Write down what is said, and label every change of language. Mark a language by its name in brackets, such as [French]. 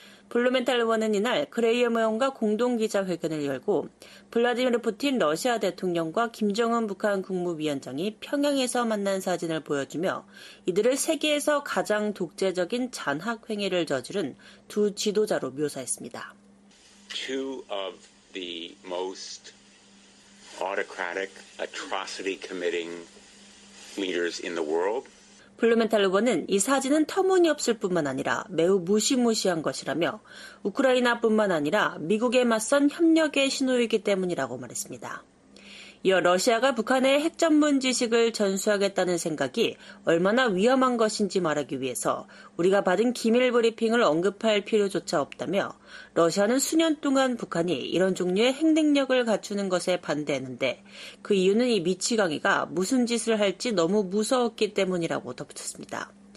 [Korean] 블루멘탈 의원은 이날 그레이엄 의원과 공동기자회견을 열고 블라디미르 푸틴 러시아 대통령과 김정은 북한 국무위원장이 평양에서 만난 사진을 보여주며 이들을 세계에서 가장 독재적인 잔학행위를 저지른 두 지도자로 묘사했습니다. [English] Two of the most autocratic, atrocity-committing leaders in the world. [Korean] 블루멘탈 의원은 이 사진은 터무니없을 뿐만 아니라 매우 무시무시한 것이라며 우크라이나뿐만 아니라 미국에 맞선 협력의 신호이기 때문이라고 말했습니다. 이어 러시아가 북한의 핵전문 지식을 전수하겠다는 생각이 얼마나 위험한 것인지 말하기 위해서 우리가 받은 기밀 브리핑을 언급할 필요조차 없다며 러시아는 수년 동안 북한이 이런 종류의 핵능력을 갖추는 것에 반대했는데 그 이유는 이 미치광이가 무슨 짓을 할지 너무 무서웠기 때문이라고 덧붙였습니다.